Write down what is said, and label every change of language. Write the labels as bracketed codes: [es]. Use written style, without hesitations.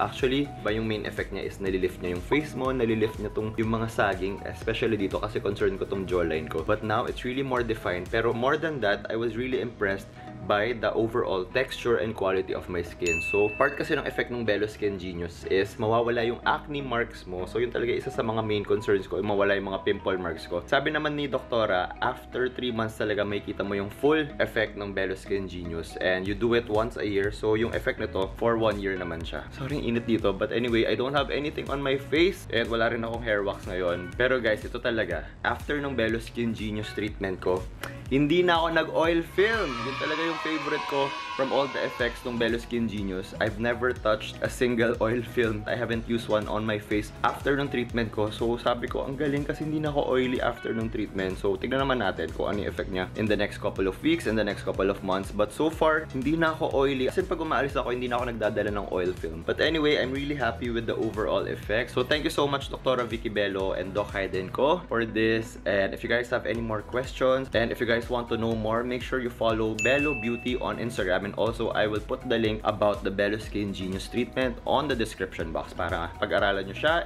[tl] Actually, ba yung main effect niya is nalilift niya yung face mo, nalilift niya tong yung mga sagging, especially dito kasi concerned ko tong jawline ko. [en] But now, it's really more defined. Pero more than that, I was really impressed by the overall texture and quality of my skin. [tl] So, part kasi ng effect ng Belo Skin Genius is mawawala yung acne marks mo. So, yun talaga isa sa mga main concerns ko, mawala yung mga pimple marks ko. Sabi naman ni Doktora, after 3 months talaga makikita mo yung full effect ng Belo Skin Genius. [en] And you do it once a year. So, yung effect nito, for 1 year naman siya. Sorry, [tl] init dito. [en] But anyway, I don't have anything on my face. [tl] And wala rin akong hair wax ngayon. Pero guys, ito talaga. After ng Belo Skin Genius treatment ko, hindi na ako nag-oil film. Yun talaga yung favorite ko from all the effects ng Belo Skin Genius. [en] I've never touched a single oil film. I haven't used one on my face [tl] after ng treatment ko. So sabi ko, ang galing kasi hindi na ako oily after ng treatment. [en] So [tl] tignan naman natin kung ano yung effect niya [en] in the next couple of weeks, in the next couple of months. [tl] But so far, hindi na ako oily. Kasi pag umaalis ako, hindi na ako nagdadala ng oil film. [en] But anyway, I'm really happy with the overall effect. So thank you so much, Dr. Vicky Belo and Doc Hayden ko for this. And if you guys have any more questions, and if you guys want to know more, make sure you follow Belo Beauty on Instagram. And also, I will put the link about the Belo Skin Genius treatment on the description box [tl] para pag-aralan nyo siya.